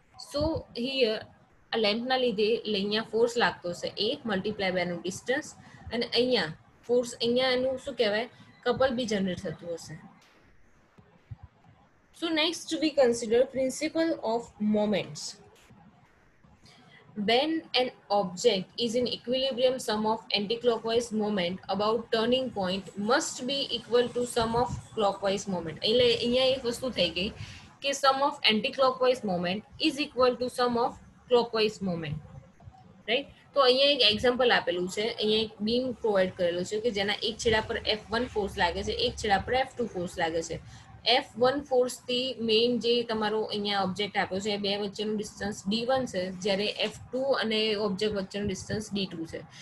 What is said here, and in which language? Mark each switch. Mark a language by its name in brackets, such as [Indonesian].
[Gujarati] સો here આ લેમ્પના લીધે અહીંયા ફોર્સ લાગતો છે એ મલ્ટીપ્લાય બાયનું ડિસ્ટન્સ, અને અહીંયા ફોર્સ અહીંયા એનું શું કહેવાય, કપલ બી જનરેટ થતું હશે. [English] So next we consider principle of moments. When an object is in equilibrium, sum of anti-clockwise moment about turning point must be equal to sum of clockwise moment. [Gujarati] એટલે અહીંયા એક વસ્તુ થઈ ગઈ કે [English] sum of anti-clockwise moment [Gujarati] is equal to sum of clockwise moment. [English] Right? [Gujarati] તો અહીંયા એક એક્ઝામ્પલ આપેલું છે, અહીંયા એક બીમ પ્રોવાઈડ કરેલું છે કે જેના એક છેડા પર F1 ફોર્સ લાગે છે, એક છેડા પર F2 ફોર્સ લાગે છે. F1 ફોર્સ થી મેઇન જે તમારો અહીંયા ઓબ્જેક્ટ આપ્યો છે એ બે વચ્ચેનું ડિસ્ટન્સ d1 છે, જ્યારે F2 અને ઓબ્જેક્ટ વચ્ચેનું ડિસ્ટન્સ d2 છે.